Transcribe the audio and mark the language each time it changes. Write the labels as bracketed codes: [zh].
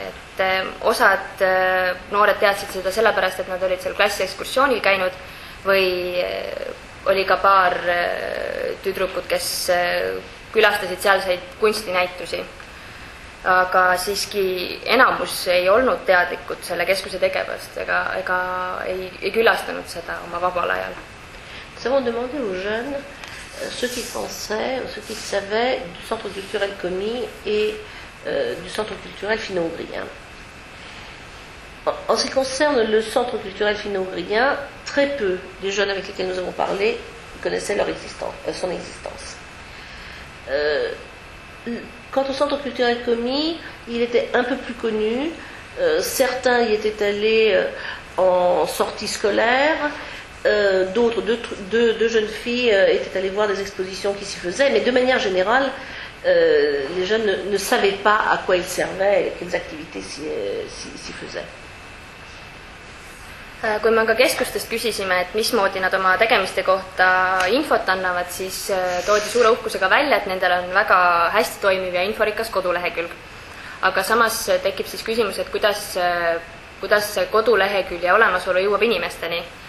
[et] Et osad noored teadsid seda sellepärast, et nad olid seal klassi ekskursioonil käinud või oli ka paar tüdrukud, kes külastasid sealseid kunstinäitusi. Aga siiski enamus ei olnud teadlikud selle keskuse tegevast ega ei külastanud seda oma vabal ajal. [fr] Nous avons demandé aux jeunes ce qu'ils pensaient, ce qu'ils savaient du centre culturel Komi et du centre culturel finno-ougrien. En ce qui concerne le centre culturel finno-ougrien, très peu des jeunes avec lesquels nous avons parlé connaissaient leur existence, son existence. Quant au centre culturel Komi, il était un peu plus connu. Certains y étaient allés en sortie scolaire. D'autres, deux jeunes filles étaient allées voir des expositions qui s'y faisaient, mais de manière générale, les jeunes ne savaient pas à quoi ils servaient et quelles activités s'y faisaient. [et] Kui me ka keskustest küsisime, et mis moodi nad oma tegemiste kohta infot annavad, siis toodi suure uhkusega välja, et nendel on väga hästi toimiv ja inforikas kodulehekülg. Aga samas tekib siis küsimus, et kuidas see kodulehekülg ja olemasolu jõuab inimesteni.